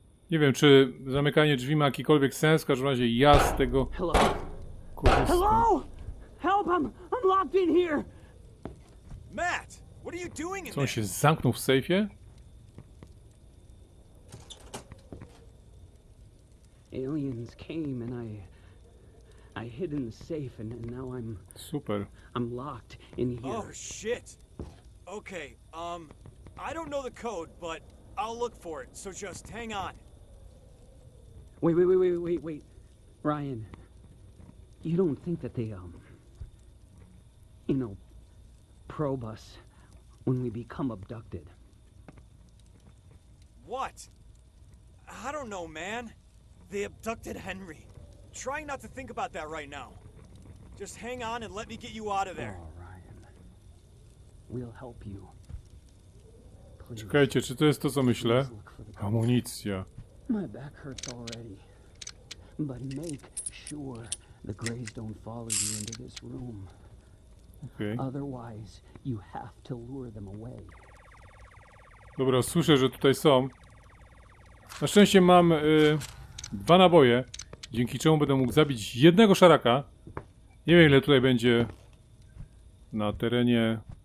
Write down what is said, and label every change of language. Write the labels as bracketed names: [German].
[Polish] Nie wiem, czy zamykanie drzwi ma jakikolwiek sens, w każdym razie ja z tego... [English] Hello? [Polish] Kurwysko. [English] Hello? Help, I'm locked in here! Matt, what are you doing in there? [Polish] Co, on się zamknął w sejfie? [English] Aliens came and I hid in the safe and now I'm... [Polish] Super. [English] I'm locked in here. Oh, shit! Okay, I don't know the code, but I'll look for it, so just hang on. Wait. Ryan, you don't think that they, you know, probe us when we become abducted? What? I don't know, man. They abducted Henry. Try not to think about that right now. Just hang on and let me get you out of there. Oh, Ryan. We'll help you. Please. [Polish] Czekajcie, czy to jest to, co myślę? Amunicja. [English] My back hurts already. But make sure the Greys don't follow you into this room. Okay. Otherwise, you have to lure them away. [Polish] Dobra, słyszę, że tutaj są. Na szczęście mam dwa naboje, dzięki czemu będę mógł zabić jednego szaraka. Nie wiem, ile tutaj będzie na terenie...